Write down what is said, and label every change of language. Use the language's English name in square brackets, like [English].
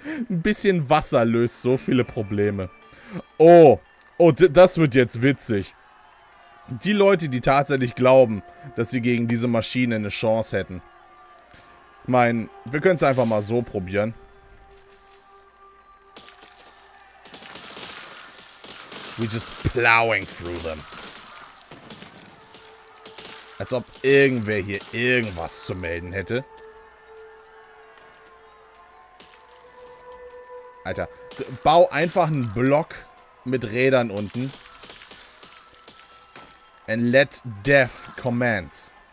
[German] Ein bisschen Wasser löst so viele Probleme. Oh, oh, das wird jetzt witzig. Die Leute, die tatsächlich glauben, dass sie gegen diese Maschine eine Chance hätten. Ich meine, wir können es einfach mal so probieren. [English] We're just plowing through them. [German] Als ob irgendwer hier irgendwas zu melden hätte. Alter, bau einfach einen Block mit Rädern unten. [English] And let death commence.